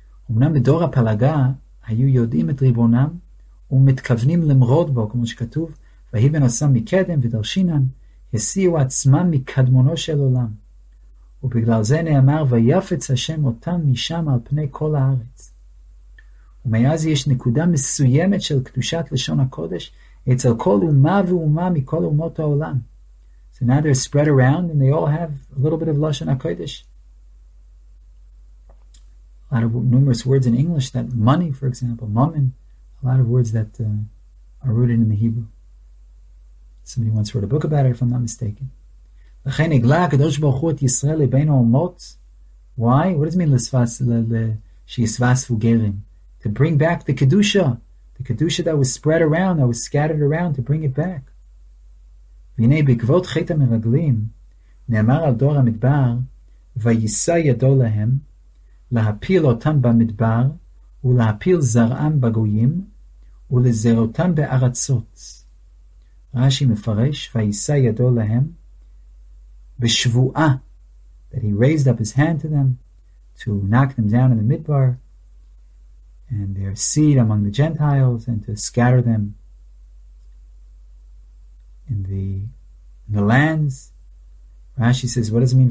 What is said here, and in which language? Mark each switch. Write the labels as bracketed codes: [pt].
[he] אמנם בדור הפלגה היו יודעים את ריבונם ומתכוונים למרוד בו, כמו שכתוב, והיא בנוסם מקדם ודרשינן, הסיעו עצמם מקדמונו של עולם. ובגלל זה נאמר, ויפץ השם אותם משם על פני כל הארץ. ומאז יש נקודה מסוימת של קדושת לשון הקודש אצל כל אומה ואומה מכל אומות העולם. [en] So now they're spread around and they all have a little bit of Lashon HaKodesh. A lot of numerous words in English, that money, for example, mammon, a lot of words that are rooted in the Hebrew. Somebody once wrote a book about it, if I'm not mistaken. [he] לכן הגלה הקדוש ברוך הוא את ישראל לבין האומות. [en] Why? What does it mean, שיספסו גרים? To bring back the Kedusha that was spread around, that was scattered around, to bring it back. [he] והנה בעקבות חטא המרגלים, נאמר על דור המדבר, וישא ידו להם, להפיל אותם במדבר, ולהפיל זרעם בגויים, ולזרותם בארצות. [en] רש"י מפרש, וישא ידו להם, בשבועה, that he raised up his hand to them, to knock them down in the midbar, and their seed among the Gentiles, and to scatter them, in the lands. Rashi says, what does it mean?